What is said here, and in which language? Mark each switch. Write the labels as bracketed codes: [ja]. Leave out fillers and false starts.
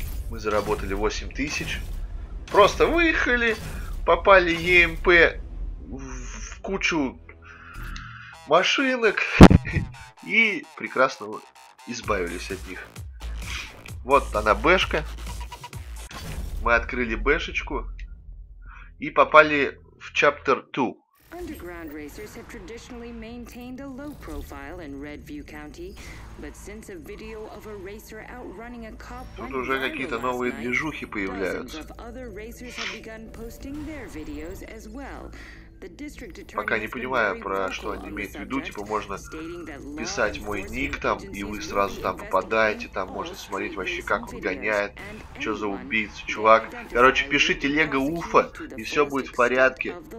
[ru] Мы заработали 8000. Просто выехали, попали ЕМП в кучу машинок и прекрасно избавились от них. Вот она бэшка. Мы открыли бэшечку и попали в Chapter 2. [en] Underground racers have traditionally maintained a low profile in Redview County, but since a video of a racer outrunning a cop went viral last night, dozens of other racers have begun posting their videos as well. [ru] Пока не понимаю, про что они имеют в виду, типа можно писать мой ник там, и вы сразу там попадаете, там можно смотреть вообще, как он гоняет, что за убийца, чувак. Короче, пишите Лего Уфа, и все будет в порядке.